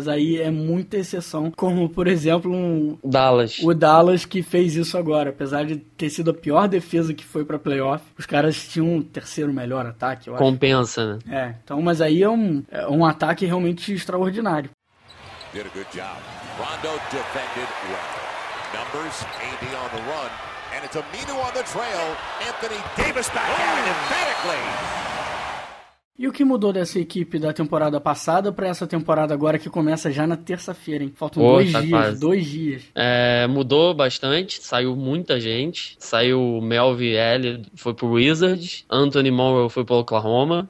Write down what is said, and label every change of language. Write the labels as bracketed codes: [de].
[pt] Mas aí é muita exceção. Como, por exemplo, Dallas. O Dallas que fez isso agora. Apesar de ter sido a pior defesa que foi pra playoff, os caras tinham um terceiro melhor ataque, eu compensa, acho. Compensa, né? É. Então, mas aí é um ataque realmente extraordinário. [en] Did a good job. Rondo defended well. Numbers, AD on the run, and it's Aminu on the trail. Anthony Davis back at it emphatically. [pt] E o que mudou dessa equipe da temporada passada pra essa temporada agora que começa já na terça-feira, hein? Faltam dois dias. É, mudou bastante, saiu muita gente. Saiu o Melvin Elliott, foi pro Wizards. Anthony Morrow foi pro Oklahoma.